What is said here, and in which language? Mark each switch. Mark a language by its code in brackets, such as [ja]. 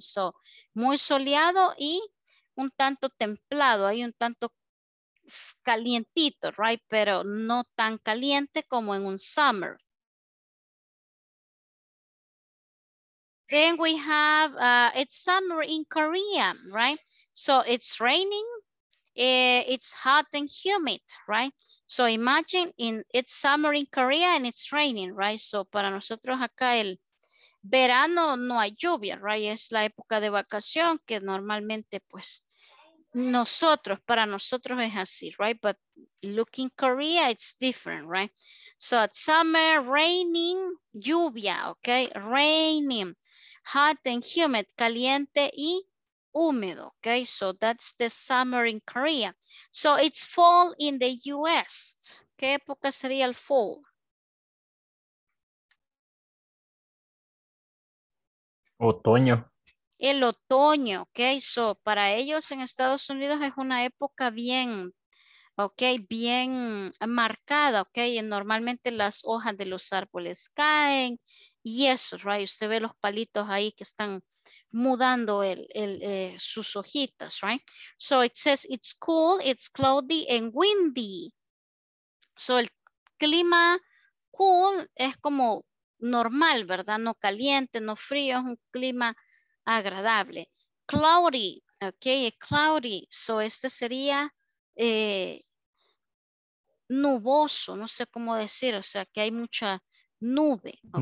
[es] So muy soleado y un tanto templado, hay un tanto calientito, right? Pero no tan caliente como en un summer. [en] Then we have, it's summer in Korea, right? So it's raining It's hot and humid, right? So imagine in it's summer in Korea and it's raining, right? [es] So para nosotros acá el verano no hay lluvia, right? Es la época de vacación que normalmente pues nosotros, para nosotros es así, right? [en] But looking Korea, it's different, right? So at summer, raining, lluvia, okay? Raining, hot and humid, [es] caliente y húmedo, [en] okay? So that's the summer in Korea. So it's fall in the US. [es] ¿Qué época sería el fall? Otoño. El otoño, okay? So para ellos en Estados Unidos es una época bien, okay, bien marcada, okay? Y normalmente las hojas de los árboles caen y eso, right? Usted ve los palitos ahí que están mudando sus hojitas, right? [en] So it says it's cool, it's cloudy and windy. [es] So el clima cool es como normal, ¿verdad? No caliente, no frío, es un clima agradable. Cloudy, okay, cloudy. So este sería nuboso, no sé cómo decir, o sea que hay mucha nube, okay,